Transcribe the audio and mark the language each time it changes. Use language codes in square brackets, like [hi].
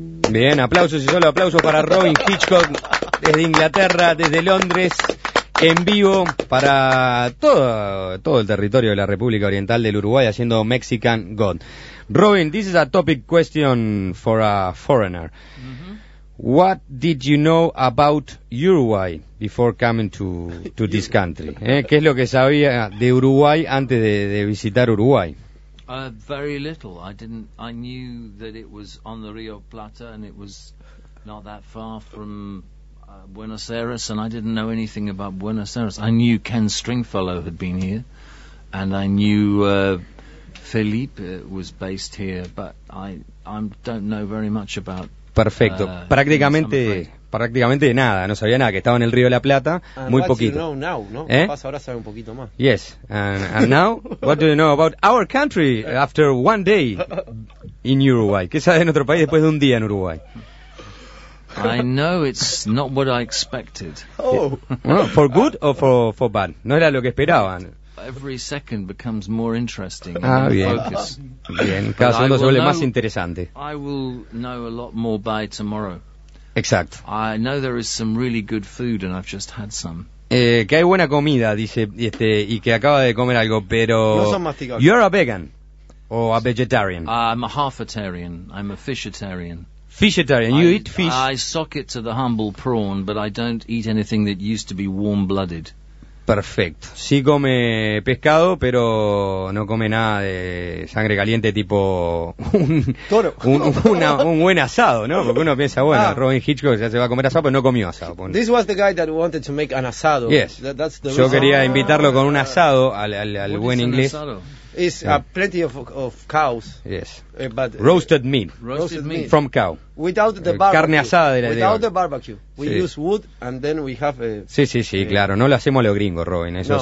[es] Bien, aplausos y solo aplausos para Robin Hitchcock desde Inglaterra, desde Londres, en vivo para todo el territorio de la República Oriental del Uruguay, haciendo Mexican God. [en] Robin, this is a topic question for a foreigner. Mm-hmm. What did you know about Uruguay before coming to this country? [es] ¿Qué es lo que sabía de Uruguay antes de visitar Uruguay? [en] Very little. I knew that it was on the Rio Plata and it was not that far from Buenos Aires, and I didn't know anything about Buenos Aires. I knew Ken Stringfellow had been here, and I knew Felipe was based here, but I don't know very much about. [es] Perfecto. Prácticamente de nada. No sabía nada, que estaba en el Río de la Plata, [en] and [es] muy poquito. [en] You know now, [es] ¿no? ¿Eh? Capaz ahora sabe un poquito más. [en] Yes. And now, what do you know about our country after one day in Uruguay? [es] ¿Qué sabe de nuestro país después de un día en Uruguay? [en] I know it's not what I expected. Oh. Well, for good or for bad? [es] No era lo que esperaban. [en] Every second becomes more interesting. [es] Bien, cada segundo se vuelve más interesante. [en] I will know a lot more by tomorrow. [es] Exacto. [en] I know there is some really good food and I've just had some. [es] Que hay buena comida, dice, y que acaba de comer algo, pero [en] you're a vegan or a vegetarian? I'm a halfetarian. I'm a fishetarian. Fishetarian. You eat fish? I sock it to the humble prawn, but I don't eat anything that used to be warm-blooded. [es] Perfecto. Sí come pescado, pero no come nada de sangre caliente tipo un buen asado, ¿no? Porque uno piensa, bueno, Robin Hitchcock ya se va a comer asado, pero no comió asado. [en] This was the guy that wanted to make an asado. Yes. That's the [es] Yo [en] reason. [es] Quería invitarlo con un asado al buen inglés. [en] Is plenty of cows. Yes. But roasted meat. Roasted meat from cow. Without the barbecue. [es] Carne asada de la [en] Without the barbecue. We sí. use wood and then we have a [es] Sí, claro, no lo hacemos a los gringos, Robin, eso no.